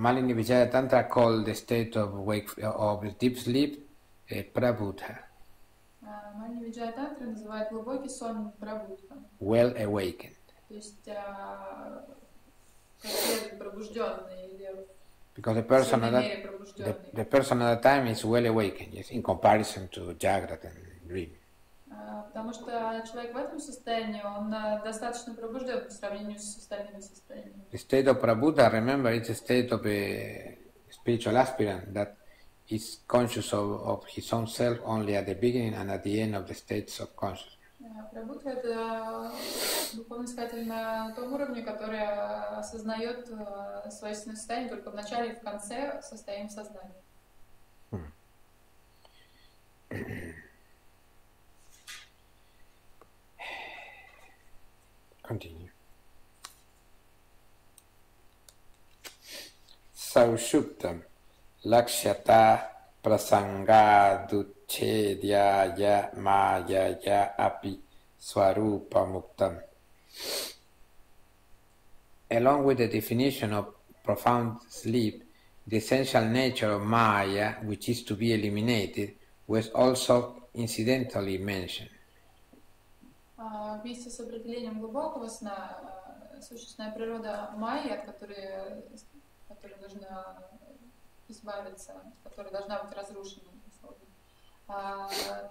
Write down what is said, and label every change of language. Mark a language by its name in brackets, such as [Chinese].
[English] Mali, [Russian] хорошо спишь. [English] Malini Tantra call the state of deep sleep Prabuddha. [Russian] Malini Vijaya Tantra называет глубокий сон Prabuddha. [English] Well awakened. [Russian] То есть как следует пробужденный или. [English] Because the person at that time is well awakened, yes, in comparison to Jagrat and dream. [Russian] Потому что человек в этом состоянии, он достаточно пробужден по сравнению с остальными состояниями. [English] The state of Prabuddha, remember, it's a state of a spiritual aspirant that is conscious of his own self only at the beginning and at the end of the states of consciousness. [Russian] Прабудха – это духовный искатель на том уровне, который осознает свое состояние только в начале и в конце состояния сознания. [English] Continue. [Sanskrit] Саушуптам лакшата прасангаду Chedyaya mayaya api swarupa muktam. [English] Along with the definition of profound sleep, the essential nature of maya, which is to be eliminated, was also incidentally mentioned. [Russian] Вместе с определением глубокого сна, сущностная природа майя, от которой нужно избавиться, которая должна быть разрушена, условно.